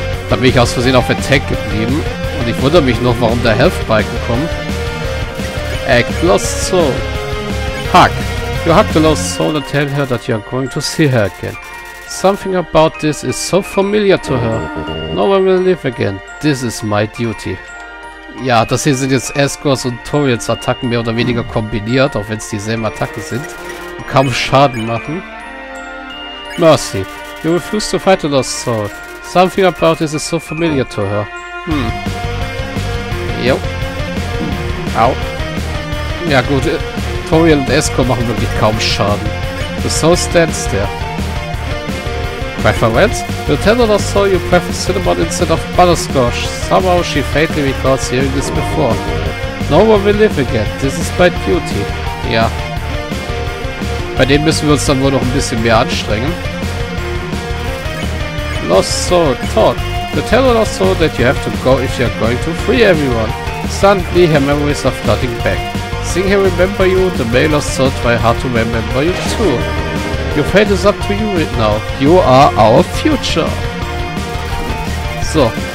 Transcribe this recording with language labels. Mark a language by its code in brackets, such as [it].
[de] Da bin ich aus Versehen auf Attack geblieben. Und ich wundere mich noch, warum der Health-Balken kommt. [en] Egg, lost soul. Hug. You hug the lost soul and tell her that you are going to see her again. Something about this is so familiar to her. No one will live again. This is my duty. [de] Ja, das hier sind jetzt Asgore's und Toriels Attacken mehr oder weniger kombiniert, auch wenn es dieselben Attacken sind. Und kaum Schaden machen. Mercy. [en] You refuse to fight the lost soul. Something about this is so familiar to her. Jo. Au. [de] Ja gut, Toriel und Esco machen wirklich kaum Schaden. [en] The soul stands there. Preference? You tell her so you prefer Cinnamon instead of Butterscotch. Somehow she faintly recalls hearing this before. No one will live again. This is my duty. Ja. [de] Bei dem müssen wir uns dann wohl noch ein bisschen mehr anstrengen. [en] Lost Soul, talk. You tell her also that you have to go if you are going to free everyone. Suddenly, her memories are flooding back. Seeing her remember you, the male Lost Soul try hard to remember you too. Your fate is up to you right now. You are our future. So.